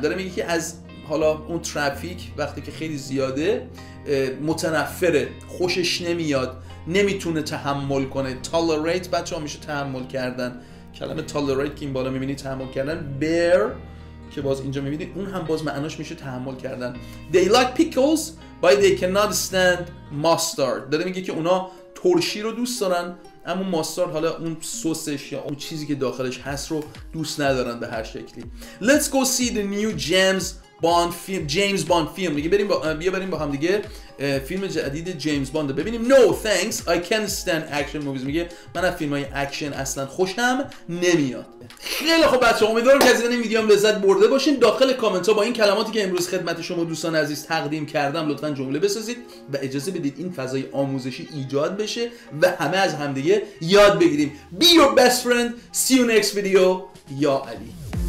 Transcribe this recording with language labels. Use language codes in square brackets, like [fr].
[fa] داره میگه که از حالا اون ترافیک وقتی که خیلی زیاده متنفره, خوشش نمیاد, نمیتونه تحمل کنه. tolerate بچه ها میشه تحمل کردن. کلمه tolerate که این بالا میبینی تحمل کردن. bear که باز اینجا میبینید اون هم باز معناش میشه تحمل کردن. [en] they like pickles but they cannot stand mustard. [fa] داره میگه که اونا ترشی رو دوست دارن اما ماستارد حالا اون سسش یا اون چیزی که داخلش هست رو دوست ندارن به هر شکلی. [en] let's go see the new James Bond film. [fa] میگه بریم بیا بریم با هم دیگه فیلم جدید جیمز باند ببینیم. [en] no thanks I can't stand action movies. [fa] میگه من از فیلم های اکشن اصلا خوشم نمیاد. خیلی خوب بچه ها, امیدوارم که از این ویدیو هم لذت برده باشین. داخل کامنت ها با این کلماتی که امروز خدمت شما دوستان عزیز تقدیم کردم لطفا جمله بسازید و اجازه بدید این فضای آموزشی ایجاد بشه و همه از همدیگه یاد بگیریم. [en] be your best friend. see you next video. [fa] یا علی.